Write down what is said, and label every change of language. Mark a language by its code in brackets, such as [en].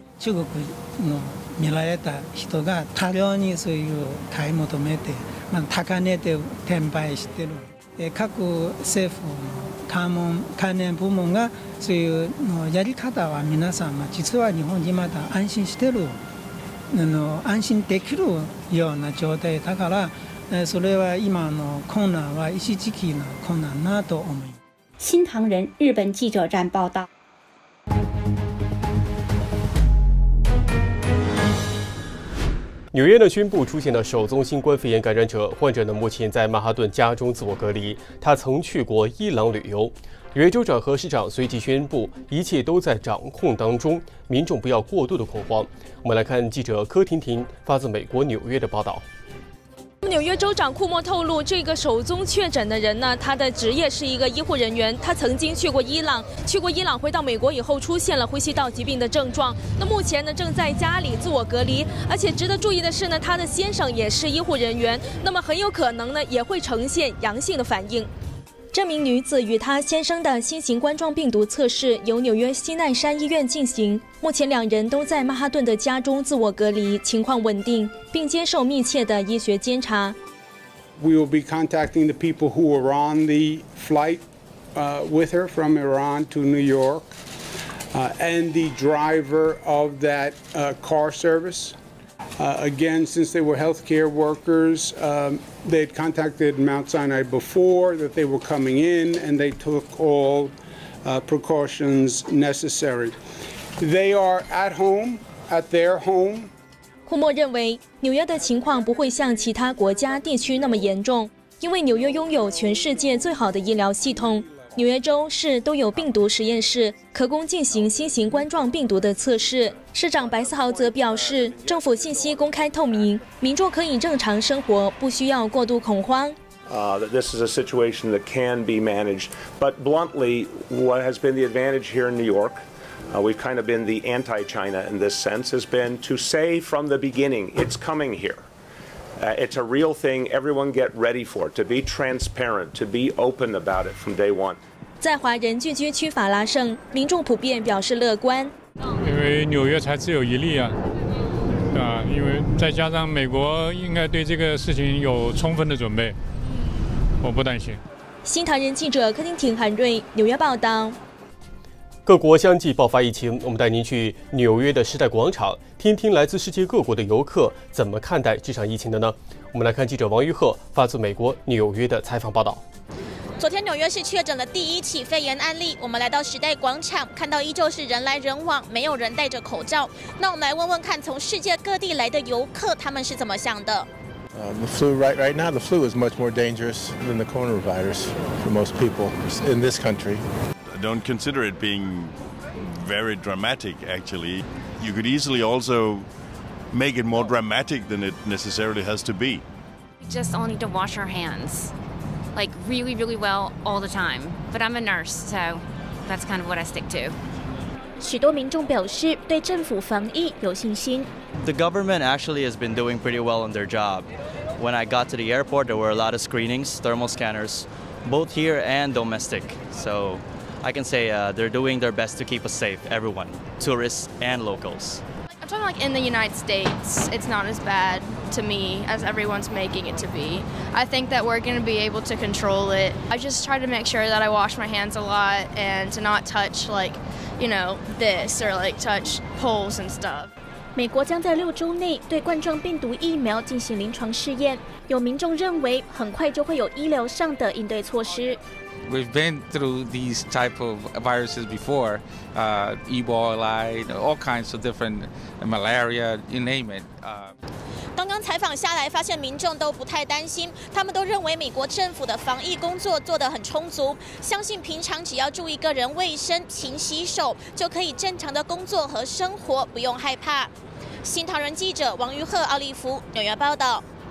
[ja] 中国の見られた人が多量にそういう買い求めて、まあ、高値で転売してる。各政府の関連部門がそういうのやり方は皆さん、実は日本にまだ安心してる、安心できるような状態だから、それは今の困難は一時期の困難なと思います。 [zh] 新唐人日本记者站报道。纽约呢宣布出现了首宗新冠肺炎感染者，患者呢目前在曼哈顿家中自我隔离，他曾去过伊朗旅游。纽约州长和市长随即宣布一切都在掌控当中，民众不要过度的恐慌。我们来看记者柯婷婷发自美国纽约的报道。纽约州长库莫透露，这个首宗确诊的人呢，他的职业是一个医护人员，他曾经去过伊朗，去过伊朗回到美国以后出现了呼吸道疾病的症状，那目前呢正在家里自我隔离，而且值得注意的是呢，他的先生也是医护人员，那么很有可能呢也会呈现阳性的反应。这名女子与她先生的新型冠状病毒测试由纽约西奈山医院进行，目前两人都在曼哈顿的家中自我隔离，情况稳定，并接受密切的医学监察。 [en] We will be contacting the people who were on the flight, with her from Iran to New York, and the driver of that, car service. Again, since they were healthcare workers, they had contacted Mount Sinai before that they were coming in, and they took all, precautions necessary. They are at home, at their home. [zh] 库莫认为，纽约的情况不会像其他国家地区那么严重，因为纽约拥有全世界最好的医疗系统。纽约州市都有病毒实验室，可供进行新型冠状病毒的测试。市长白思豪则表示，政府信息公开透明，民众可以正常生活，不需要过度恐慌。 [en] This is a situation that can be managed. But bluntly, what has been the advantage here in New York? We've kind of been the anti-China in this sense, has been to say from the beginning, it's coming here. It's a real thing, everyone get ready for it, to be transparent, to be open about it from day one. [zh] 在华人聚居区法拉盛，民众普遍表示乐观。因为纽约才只有一例啊，因为再加上美国应该对这个事情有充分的准备，我不担心。新唐人记者柯婷婷、韩瑞，纽约报道。各国相继爆发疫情，我们带您去纽约的时代广场，听听来自世界各国的游客怎么看待这场疫情的呢？我们来看记者王玉鹤发自美国纽约的采访报道。昨天纽约市确诊了第一起肺炎案例，我们来到时代广场，看到依旧是人来人往，没有人戴着口罩。那我们来问问看，从世界各地来的游客，他们是怎么想的？ [en] The flu right now, the flu is much more dangerous than the coronavirus for most people in this country. Don't consider it being very dramatic, actually. You could easily also make it more dramatic than it necessarily has to be. We just all need to wash our hands, like really, really well all the time. But I'm a nurse, so that's kind of what I stick to. [zh] 许多民众表示对政府防疫有信心。 [en] The government actually has been doing pretty well on their job. When I got to the airport, there were a lot of screenings, thermal scanners, both here and domestic. So. I can say, they're doing their best to keep us safe, everyone, tourists and locals. I'm talking like in the United States, it's not as bad to me as everyone's making it to be. I think that we're going to be able to control it. I just try to make sure that I wash my hands a lot and to not touch like, you know, this or like touch poles and stuff. [zh] 美国将在六周内对冠状病毒疫苗进行临床试验。有民众认为很快就会有医疗上的应对措施。 [en] We've been through these type of viruses before, Ebola, all kinds of different malaria, you name it. [zh] 刚刚采访下来，发现民众都不太担心，他们都认为美国政府的防疫工作做得很充足，相信平常只要注意个人卫生、勤洗手，就可以正常的工作和生活，不用害怕。新唐人记者王玉鹤、奥利弗，纽约报道。